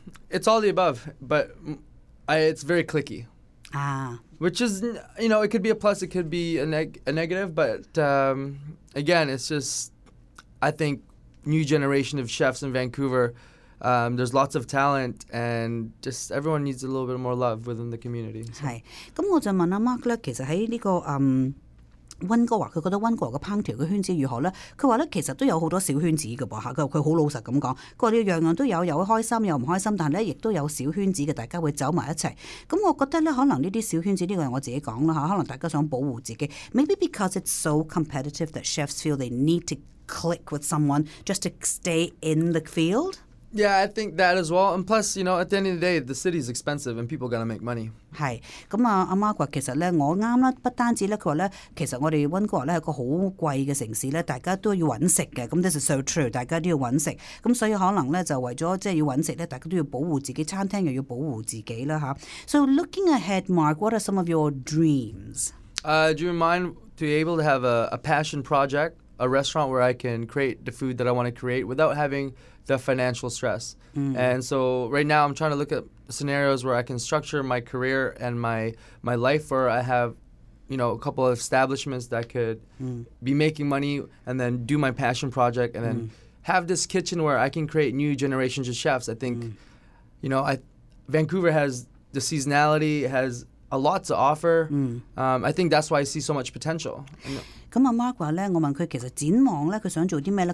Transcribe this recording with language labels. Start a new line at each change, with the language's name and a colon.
English: It's all the above, but it's very clicky. Which is, you know, it could be a plus, it could be a negative, but again, it's just, I think, new generation of chefs in Vancouver, there's lots of talent, and just everyone needs a little bit more love within the community. So.
Cantonese: 是。那我就問了 Mark, 其實在這個温哥華，佢覺得温哥華嘅烹調嘅圈子如何咧？佢話咧，其實都有好多小圈子嘅噃嚇。佢好老實咁講，佢話你樣樣都有，有開心有唔開心，但係咧亦都有小圈子嘅，大家會走埋一齊。咁我覺得咧，可能呢啲小圈子呢個係我自己講啦嚇，可能大家想保護自己。
English: Maybe because it's so competitive that chefs feel they need to click with someone just to stay in the field. Yeah, I think that as well. And plus, you know, at the end of the day, the city is expensive and people gotta make money.
Cantonese: 係，咁啊，阿 Mark 話其實咧，我啱啦，不單止咧，佢話咧，其實我哋温哥華咧係個好貴嘅城市咧，大家都要揾食嘅，咁
English: this is so true，
Cantonese: 大家都要揾食，咁所以可能咧就為咗即係要揾食咧，大家都要保護自己，餐廳又要保護自己啦嚇。
English: So looking ahead, Mark, what are some of your dreams? Do you mind to be able to have a passion project, a restaurant where I can create the food that I want to create without having the financial stress? And so right now I'm trying to look at scenarios where I can structure my career and my life where I have, you know, a couple of establishments that could be making money and then do my passion project and then have this kitchen where I can create new generations of chefs. I think, you know, Vancouver has the seasonality, has a lot to offer. I think that's why I see so much potential.
Cantonese: 咁阿 Mark 話咧，我問佢其實展望咧，佢想做啲咩咧？